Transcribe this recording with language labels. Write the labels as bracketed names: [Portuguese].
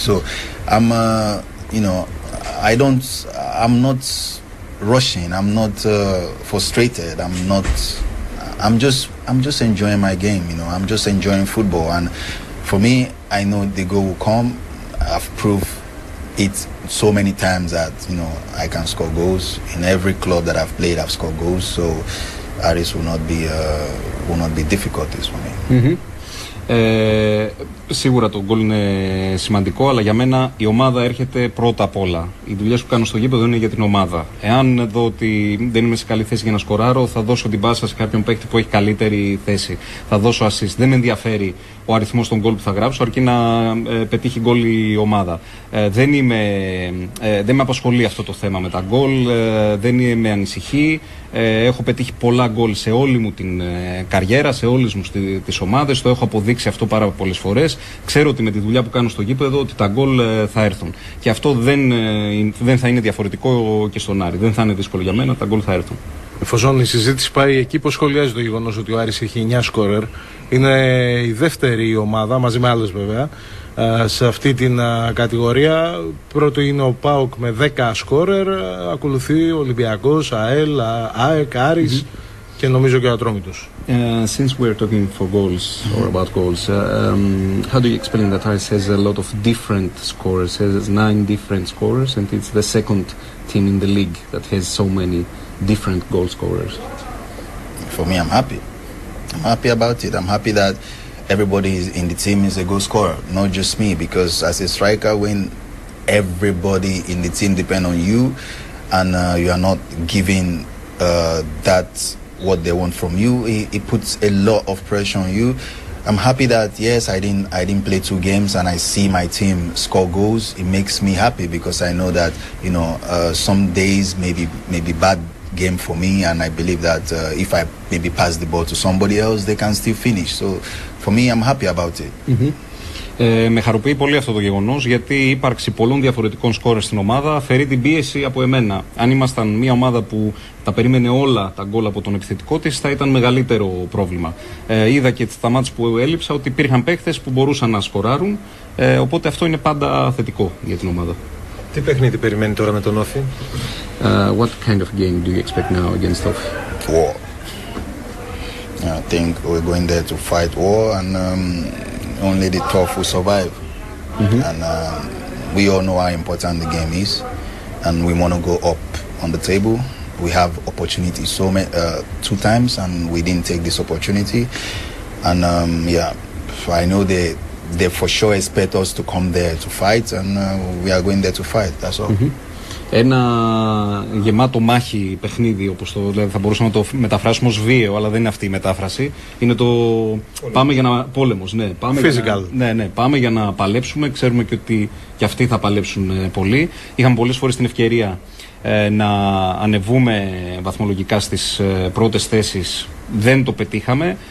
[English] So I'm, you know, I'm not rushing, I'm not frustrated, I'm just enjoying my game, you know, I'm just enjoying football. And for me, I know the goal will come. I've proved it so many times that, you know, I can score goals. In every club that I've played, I've scored goals. So Aris will not be difficult this for me. Mm-hmm. [Greek] Σίγουρα το γκολ είναι σημαντικό, αλλά για μένα η ομάδα έρχεται πρώτα απ' όλα. Οι δουλειές που κάνω στο γήπεδο είναι για την ομάδα. Εάν δω ότι δεν είμαι σε καλή θέση για να σκοράρω, θα δώσω την πάσα σε κάποιον παίκτη που έχει καλύτερη θέση. Θα δώσω assist. Δεν με ενδιαφέρει ο αριθμός των γκολ που θα γράψω, αρκεί να πετύχει γκολ η ομάδα. Δεν με απασχολεί αυτό το θέμα με τα γκολ, δεν με ανησυχεί. Έχω πετύχει πολλά γκολ σε όλη μου την καριέρα, σε όλες μου τις ομάδες. Το έχω αποδείξει αυτό πάρα πολλές φορές. Ξέρω ότι με τη δουλειά που κάνω στο γήπεδο, ότι τα γκολ θα έρθουν. Και αυτό δεν θα είναι διαφορετικό και στον Άρη. Δεν θα είναι δύσκολο για μένα, τα γκολ θα έρθουν. Εφόσον η συζήτηση πάει εκεί, πώς σχολιάζει το γεγονός ότι ο Άρης έχει 9 σκόρερ? Είναι η δεύτερη ομάδα, μαζί με άλλες βέβαια, σε αυτή την κατηγορία. Πρώτο είναι ο ΠΑΟΚ με 10 σκόρερ, ακολουθεί ο Ολυμπιακός, ΑΕΛ, ΑΕΚ, Άρης και νομίζω και ο Ατρόμητος. [English] Since we're talking for goals or about goals, how do you explain that Aris has a lot of different scorers? It has 9 different scorers and it's the second team in the league that has so many different goal scorers. For me, I'm happy. I'm happy about it. I'm happy that everybody in the team is a goal scorer, not just me, because as a striker, when everybody in the team depend on you and you are not giving that what they want from you, it puts a lot of pressure on you. I'm happy that, yes, I didn't play 2 games and I see my team score goals. It makes me happy because I know that, you know, some days maybe bad game for me, and I believe that if I maybe pass the ball to somebody else, they can still finish. So for me, I'm happy about it. Mm-hmm. [Greek] Με χαροποιεί πολύ αυτό το γεγονός, γιατί η ύπαρξη πολλών διαφορετικών σκόρες στην ομάδα αφαιρεί την πίεση από εμένα. Αν ήμασταν μια ομάδα που τα περίμενε όλα τα γκολ από τον επιθετικό της, θα ήταν μεγαλύτερο πρόβλημα. Είδα και τα μάτς που έλειψα ότι υπήρχαν παίχτες που μπορούσαν να σκοράρουν, οπότε αυτό είναι πάντα θετικό για την ομάδα. Τι παιχνίδι περιμένει τώρα με τον Όφη? [English] What kind of game do you expect now against Όφη? War. I think we're going there to fight war, and only the tough will survive. Mm-hmm. And we all know how important the game is, and we want to go up on the table. We have opportunities so many, 2 times, and we didn't take this opportunity. And I know they for sure expect us to come there to fight, and we are going there to fight. That's all. Mm-hmm. [Greek] Ένα γεμάτο μάχη παιχνίδι, όπως το λέμε, θα μπορούσαμε να το μεταφράσουμε ως βίαιο, αλλά δεν είναι αυτή η μετάφραση. Είναι το πόλεμος. Πάμε για να. Πόλεμος, ναι. Πάμε [English] physical. [Greek] Ναι. Πάμε για να παλέψουμε. Ξέρουμε και ότι και αυτοί θα παλέψουν πολύ. Είχαμε πολλές φορές την ευκαιρία να ανεβούμε βαθμολογικά στις πρώτες θέσεις. Δεν το πετύχαμε.